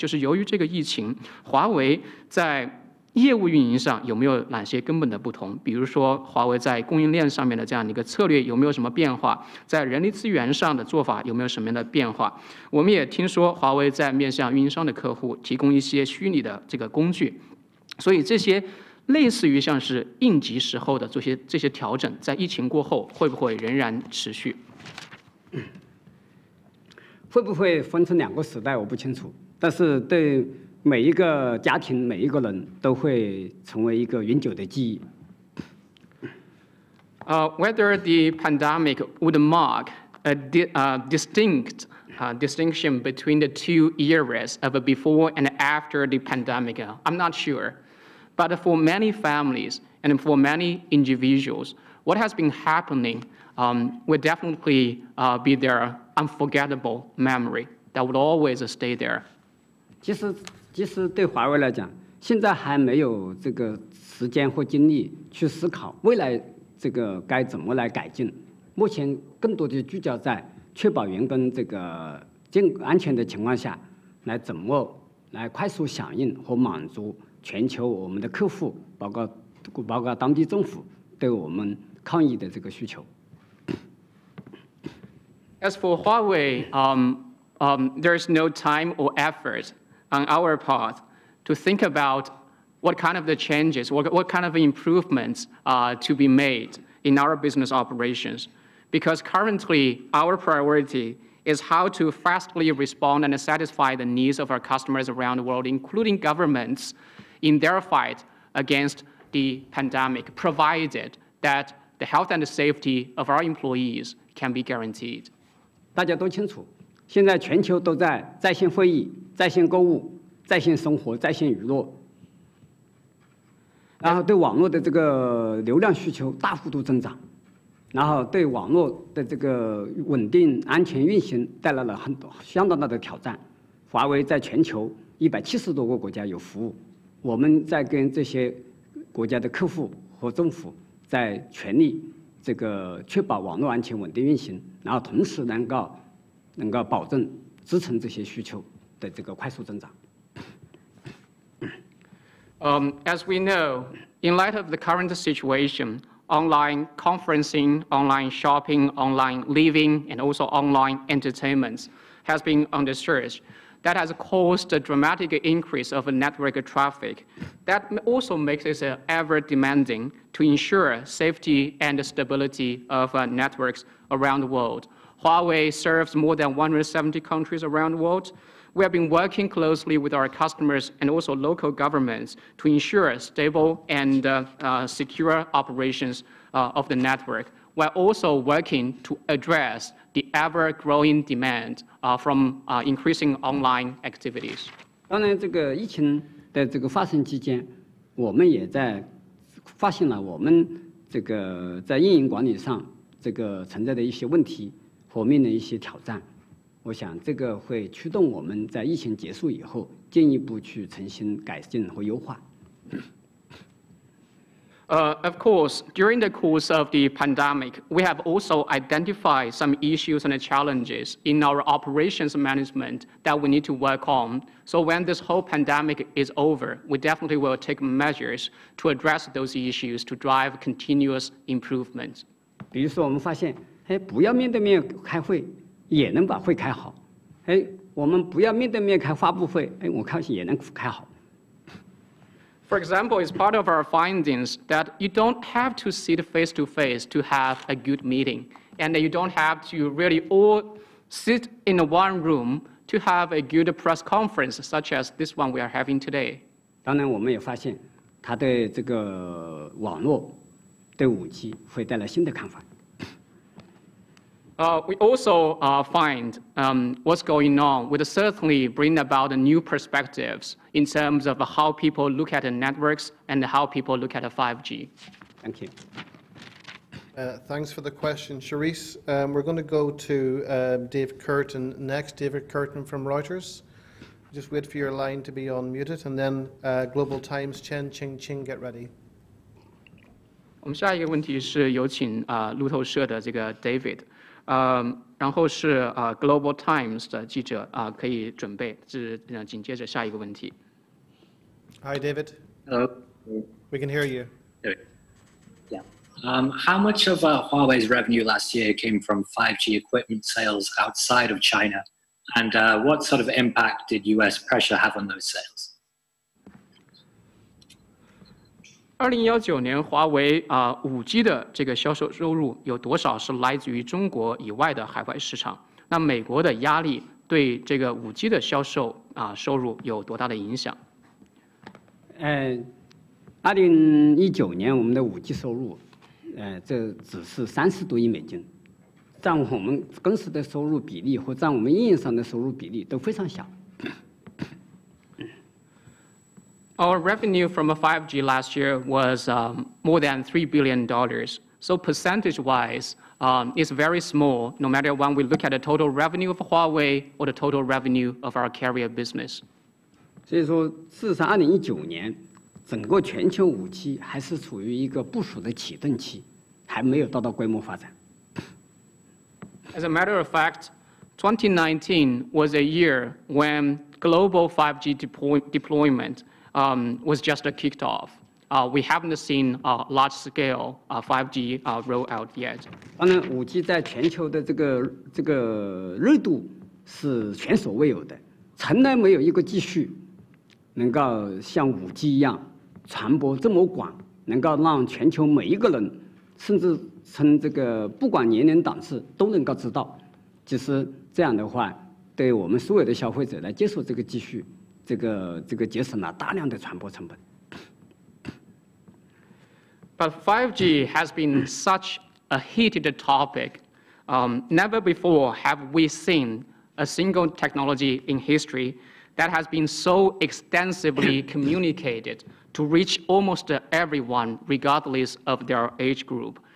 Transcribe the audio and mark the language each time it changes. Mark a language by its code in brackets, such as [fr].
[zh] 刚才的话也听到Eric您提到，中国这边的话正在努力的恢复常态，华为的话也在努力的恢复常态。那您觉得这一次的这个疫情的爆发，会不会让我们所处的这样的一个时代，以后谈起来就分成两个截然不同的时代，疫情前和疫情后？想问一下具体跟华为相关的，就是由于这个疫情，华为在 业务运营上有没有哪些根本的不同？比如说，华为在供应链上面的这样的一个策略有没有什么变化？在人力资源上的做法有没有什么样的变化？我们也听说华为在面向运营商的客户提供一些虚拟的这个工具，所以这些类似于像是应急时候的这些调整，在疫情过后会不会仍然持续？会不会分成两个时代？我不清楚，但是对 每一个家庭、每一个人都会成为一个永久的记忆。 [en] Whether the pandemic would mark a distinction between the two eras of before and after the pandemic, I'm not sure. But for many families and for many individuals, what has been happening will definitely be their unforgettable memory that would always stay there. [zh] 其实对华为来讲，现在还没有这个时间或精力去思考未来这个该怎么来改进。目前更多的聚焦在确保员工这个健安全的情况下，来怎么来快速响应和满足全球我们的客户，包括当地政府对我们抗疫的这个需求。 [en] As for Huawei, there is no time or effort on our part to think about what kind of the changes, what kind of improvements to be made in our business operations. Because currently, our priority is how to fastly respond and satisfy the needs of our customers around the world, including governments, in their fight against the pandemic, provided that the health and the safety of our employees can be guaranteed. [zh] 大家都清楚，现在全球都在在线会议、在线购物、在线生活、在线娱乐，然后对网络的这个流量需求大幅度增长，然后对网络的这个稳定安全运行带来了很多相当大的挑战。华为在全球170多个国家有服务，我们在跟这些国家的客户和政府在全力这个确保网络安全稳定运行，然后同时能够保证支撑这些需求的这个快速增长。 [en] As we know, in light of the current situation, online conferencing, online shopping, online living, and also online entertainment has been under surge. That has caused a dramatic increase of network traffic. That also makes it ever demanding to ensure safety and stability of networks around the world. Huawei serves more than 170 countries around the world. We have been working closely with our customers and also local governments to ensure stable and secure operations of the network, while also working to address the ever-growing demand from increasing online activities. [zh] 当然，这个疫情的这个发生期间，我们也在发现了我们这个在运营管理上这个存在的一些问题和面临一些挑战。我想，这个会驱动我们在疫情结束以后进一步去重新改进和优化。 [en] Of course, during the course of the pandemic, we have also identified some issues and challenges in our operations management that we need to work on. So when this whole pandemic is over, we definitely will take measures to address those issues to drive continuous improvement. [zh] 比如说我们发现，不要面对面开会也能把会开好。我们不要面对面开发布会，我看也能开好。 [en] For example, it's part of our findings that you don't have to sit face to face to have a good meeting, and you don't have to really all sit in one room to have a good press conference such as this one we are having today. [zh] 当然我们也发现它对这个网络对 5G 会带来新的看法。 [en] We also find what's going on would certainly bring about new perspectives in terms of how people look at the networks and how people look at 5G. Thank you. Thanks for the question, Charisse. We're going to go to Dave Curtin next. David Curtin from Reuters. Just wait for your line to be unmuted, and then Global Times, Chen Qingqing, get ready. [zh] 我们下一个问题是有请路透社的这个 David， 然后是Global Times 的记者可以准备，是紧接着下一个问题。 [en] Hi, David. Hello. We can hear you. Yeah. How much of Huawei's revenue last year came from 5G equipment sales outside of China, and what sort of impact did U.S. pressure have on those sales? [zh] 2019年华为5G 的这个销售收入有多少是来自于中国以外的海外市场？那美国的压力对这个5G 的销售收入有多大的影响？ 2019年我们的5G 收入这只是30多亿美金，占我们公司的收入比例和占我们运营商的收入比例都非常小。 [en] Our revenue from 5G last year was more than $3 billion. So percentage-wise, it's very small, no matter when we look at the total revenue of Huawei or the total revenue of our carrier business. [zh] 所以说，事实上2019年，整个全球5G还是处于一个部署的启动期，还没有到到规模发展。 [en] As a matter of fact, 2019 was a year when global 5G deployment was just kicked off. We haven't seen a large scale 5G rollout yet. [zh] 当然 ，5G 在全球的这个热度是前所未有的，从来没有一个技术能够像 5G 一样传播这么广，能够让全球每一个人，甚至从这个不管年龄档次都能够知道。其实这样的话，对我们所有的消费者来接受这个技术，这个节省了大量的传播成本。 [en] But 5G has been such a heated topic. Never before have we seen a single technology in history that has been so extensively communicated to reach almost everyone, regardless of their age group.